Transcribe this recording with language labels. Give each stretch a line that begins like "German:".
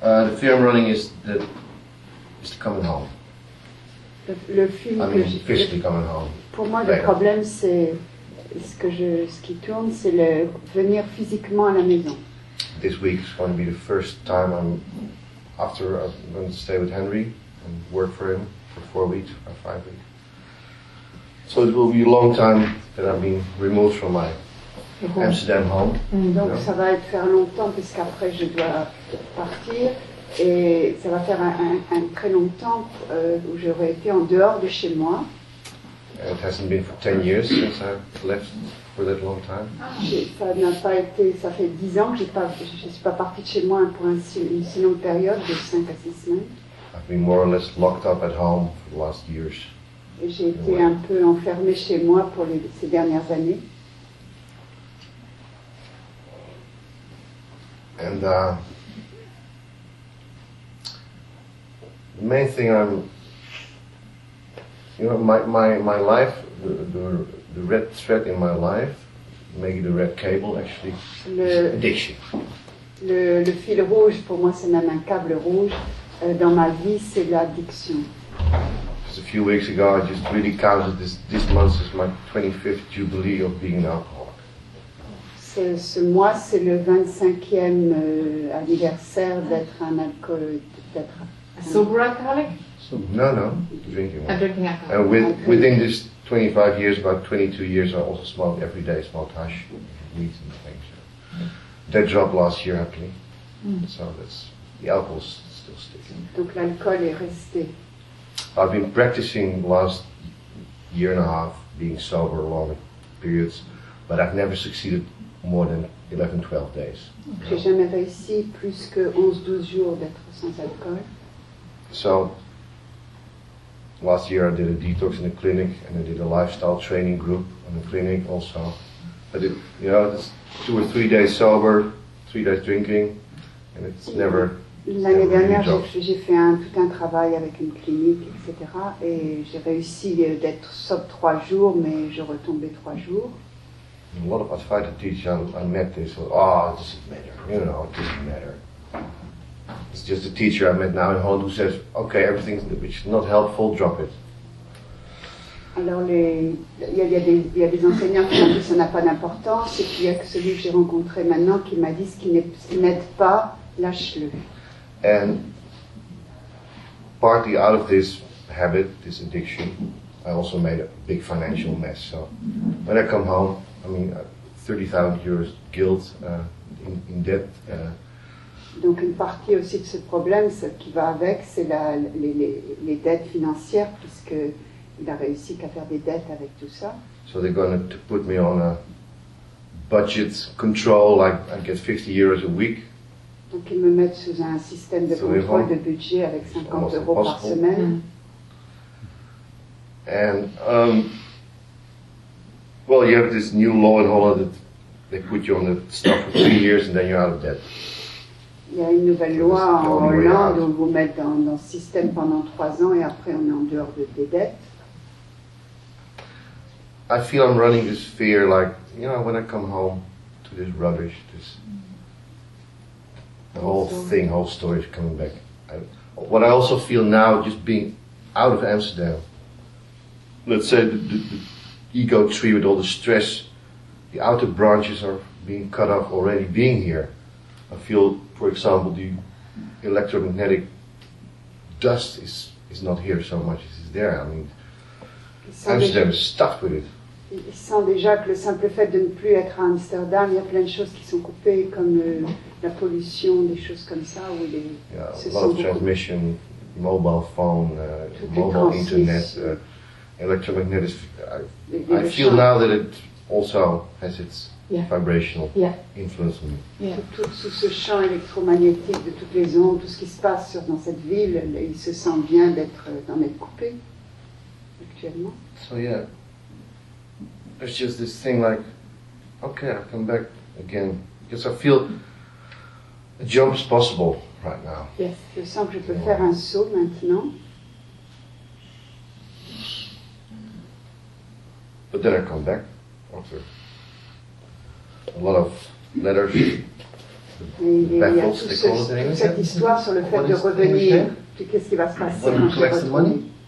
English: The fear I'm running is that it's coming home.
French: Le film,
English: I mean, physically coming home.
French: Pour moi,
English: later.
French: Le problème, c'est. Ce qui tourne, c'est le venir physiquement à la maison.
English: This week is going to be the first time I'm after I'm going to stay with Henry and work for him for 4 weeks or 5 weeks. So it will be a long time that I've been removed from my Amsterdam home.
French: Donc ça va être faire longtemps parce qu'après je dois partir et ça va faire un très long temps où j'aurais été en dehors de chez moi.
English: And it hasn't been for 10 years since I've left for that long time.
French: Ça n'a pas été, ça fait 10 ans que je suis pas partie de chez moi pour une si longue période de 5 à 6 semaines.
English: I've been more or less locked up at home for the last years.
French: Et j'ai été un peu enfermée chez moi pour ces dernières années.
English: And the main thing I'm you know, my life, the red thread in my life, maybe the red cable actually, addiction.
French: Le fil rouge pour moi, c'est même un câble rouge dans ma vie, c'est l'addiction.
English: Just a few weeks ago, I just really counted this month is my 25th jubilee of being an alcoholic.
French: Ce mois, c'est le 25e anniversaire d'être un alcoolique.
English: Sober alcoholic. No, drinking one. I'm drinking alcohol. And within this 25 years, about 22 years, I also smoked every day, smoked hash, weed and things. So. That dropped last year, happily. Mm. So that's the alcohol's still sticking.
French: Donc l'alcool est resté.
English: I've been practicing last year and a half, being sober long periods, but I've never succeeded more than 11, 12 days. Okay.
French: J'ai jamais réussi plus que 11, 12 jours d'être sans alcool.
English: So, last year I did a detox in a clinic and I did a lifestyle training group in the clinic also. I did, you know, it's 2 or 3 days sober, 3 days drinking, and it's never.
French: L'année dernière, j'ai fait tout un travail avec une clinique, etc. Et j'ai réussi d'être sobre 3 jours, mais je retombais 3 jours.
English: A lot of Advaita teachers, I met this, oh, it doesn't matter, you know, it doesn't matter. It's just a teacher I met now in Holland who says, okay, everything which is not helpful, drop it.
French: Alors, il y a des enseignants qui ont dit que ça n'a pas d'importance, et puis il y a celui que j'ai rencontré maintenant qui m'a dit ce qui n'aide pas, lâche-le.
English: And partly out of this habit, this addiction, I also made a big financial mess. So when I come home, I mean, 30,000 euros guilt, in debt.
French: Donc une partie aussi de ce problème, ce qui va avec, c'est les dettes financières, puisque il a réussi qu'à faire des dettes avec tout ça.
English: So they're going to put me on a budget control, like I get 50 euros a week.
French: Donc ils me mettent sous un système de contrôle de budget avec 50 euros par semaine.
English: And well, you have this new law in Holland that they put you on the stuff for 3 years and then you're out of debt.
French: Il y a une nouvelle loi en Hollande où vous mettez dans le système pendant 3 ans et après on est en dehors de tes dettes.
English: I feel I'm running this fear, like, you know, when I come home to this rubbish, this the whole thing, whole story is coming back. What I also feel now, just being out of Amsterdam, let's say the ego tree with all the stress, the outer branches are being cut off already being here. I feel, for example, the electromagnetic dust is not here so much as it's there. I mean, Amsterdam is stuffed with it.
French: Il sent déjà que le simple fait de ne plus être à Amsterdam, il y a plein de choses qui sont coupées, comme la pollution, des choses comme ça. Où les,
English: yeah, a lot of transmission,
French: beaucoup.
English: Mobile phone, mobile internet, electromagnetic. I feel now that it also has its vibrational influence on me.
French: Tout ce champ électromagnétique de toutes les ondes, tout ce qui se passe dans cette ville, il se sent bien d'en être coupé actuellement.
English: So, yeah. It's just this thing like, okay, I'll come back again. Because I feel a jump is possible right now. Yes,
French: je sens que je peux faire un saut maintenant.
English: But then I come back after a lot of letters, the battles, they call it.
French: Toute cette histoire sur le fait de revenir, puis qu'est-ce qui va se passer quand je retourne.